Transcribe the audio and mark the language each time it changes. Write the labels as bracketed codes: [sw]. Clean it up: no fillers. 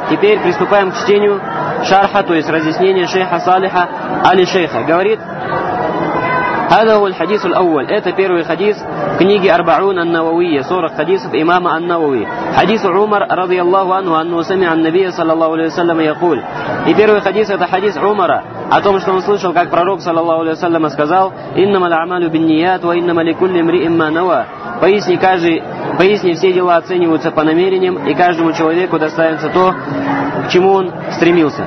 [ru] Теперь приступаем к чтению шарха, то есть разъяснения шейха Салиха али шейха. Говорит, [ar] هذا هو الحديث الأول. [ru] Это первый хадис в книге Арбаун ан-Нававия, 40 хадисов имама ан-Навави. [ar] Хадису Умар, رضي الله عنه, анну сами ан-Набия, صلى الله عليه وسلم, يقول. [ru] И первый хадис это хадис Умара. О том, что он слышал, как пророк, саллаллаху алейхи ва саллям, сказал [ar] «Иннама ла'амалю бинният, ва иннама ли кулли мриим ма нава». [ru] Поясни, все дела оцениваются по намерениям, и каждому человеку достанется то, к чему он стремился.